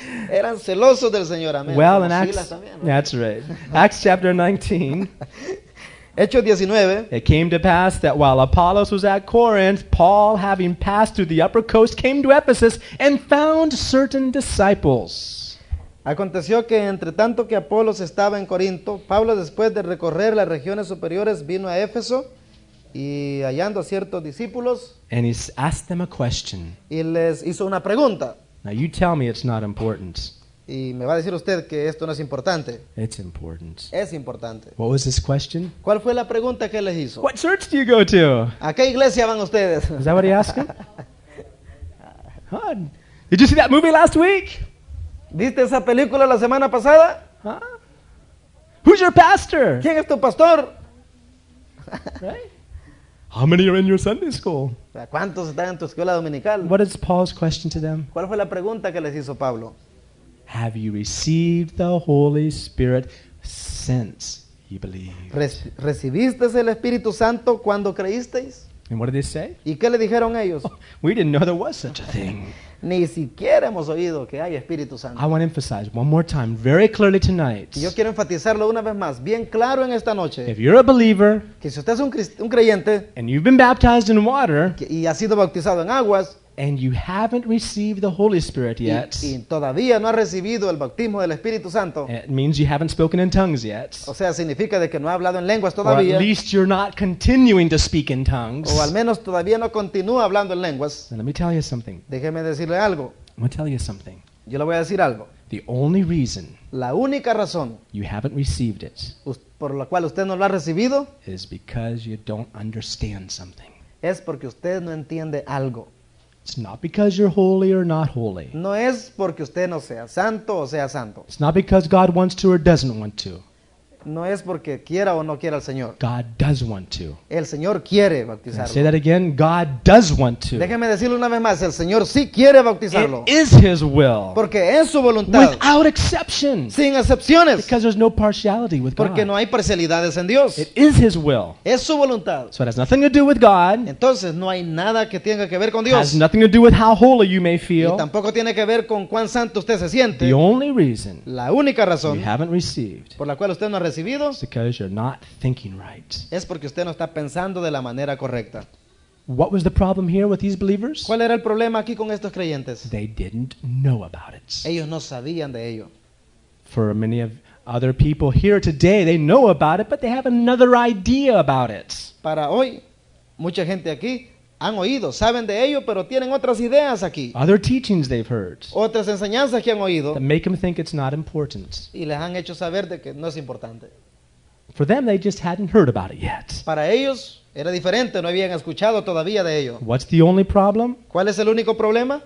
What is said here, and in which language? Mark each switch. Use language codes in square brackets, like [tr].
[es] Eran celosos del Señor. Amén. [en] Well, in Acts, [es] Silas también, ¿no? [en] That's right. Acts chapter 19. [es] Hechos 19. [en] It came to pass that while Apollos was at Corinth, Paul, having passed through the upper coast, came to Ephesus and found certain disciples. [es] Aconteció que entre tanto que Apolos estaba en Corinto, Pablo después de recorrer las regiones superiores vino a Éfeso y hallando a ciertos discípulos [en] and he asked them a question. [es] Y les hizo una pregunta. [en] Now you tell me it's not important. [es] Y me va a decir usted que esto no es importante. [en] It's important. [es] Es importante. [en] What was his question? [es] ¿Cuál fue la pregunta que les hizo? [en] What church do you go to? [es] ¿A qué iglesia van ustedes? [en] Is that what he asked him? Huh? Did you see that movie last week? [es] ¿Viste esa película la semana pasada? [en] Huh? Who's your pastor? [es] ¿Quién es tu pastor? [en] Right? How many are in your Sunday school? [es] ¿Cuántos están en tu escuela dominical? [en] What is Paul's question to them? [es] ¿Cuál fue la pregunta que les hizo Pablo? [en] Have you received the Holy Spirit since you believed? [es] ¿Recibiste el Espíritu Santo cuando creísteis? [en] And what did they say? [es] ¿Y qué le dijeron ellos? [en] Oh, we didn't know there was such a thing. [es] Ni siquiera hemos oído que hay Espíritu Santo. [en] I want to emphasize one more time, very clearly tonight. [es] Yo quiero enfatizarlo una vez más, bien claro en esta noche. [en] If you're a believer, [es] que si usted es un creyente, [en] and you've been baptized in water, [es] y ha sido bautizado en aguas, [en] and you haven't received the Holy Spirit yet, [es] y todavía no ha recibido el bautismo del Espíritu Santo, [en] it means you haven't spoken in tongues yet. [es] O sea, significa de que no ha hablado en lenguas todavía. [en] Or at least you're not continuing to speak in tongues. [es] O al menos todavía no continúa hablando en lenguas. [en] Then let me tell you something. [es] Déjeme decirle algo. [en] I'm going to tell you something. [es] Yo le voy a decir algo. [en] The only reason, [es] la única razón, [en] you haven't received it, [es] por la cual usted no lo ha recibido, [en] is because you don't understand something. [es] Es porque usted no entiende algo. [en] It's not because you're holy or not holy. [es] No es porque usted no sea santo o sea santo. [en] It's not because God wants to or doesn't want to. [es] No es porque quiera o no quiera el Señor. [en] God does want to. [es] El Señor quiere bautizarlo. [en] Say that again. God does want to. [es] Déjeme decirlo una vez más. El Señor sí quiere bautizarlo. [en] It is His will. [es] Porque es su voluntad. [en] Without exception. [es] Sin excepciones. [en] Because there's no partiality with [es] porque [en] God. [es] Porque no hay parcialidades en Dios. [en] It is His will. [es] Es su voluntad. [en] So it has nothing to do with God. [es] Entonces no hay nada que tenga que ver con Dios. [en] It has nothing to do with how holy you may feel. [es] Y tampoco tiene que ver con cuán santo usted se siente. [en] The only reason. [es] La única razón. [en] You haven't received. [es] Por la cual usted no ha recibido. [en] It's because you're not thinking right. [es] Es porque usted no está pensando de la manera correcta. [en] What was the problem here with these believers? [es] ¿Cuál era el problema aquí con estos creyentes? [en] They didn't know about it. [es] Ellos no sabían de ello. [en] For many of other people here today, they know about it, but they have another idea about it. [es] Para hoy, mucha gente aquí han oído, saben de ello, pero tienen otras ideas aquí. [en] Other teachings they've heard. [es] Otras enseñanzas que han oído. [en] That make them think it's not important. [es] Y les han hecho saber de que no es importante. [en] For them, they just hadn't heard about it yet. [es] Para ellos, era diferente, no habían escuchado todavía de ello. [en] What's the only problem? [es] ¿Cuál es el único problema?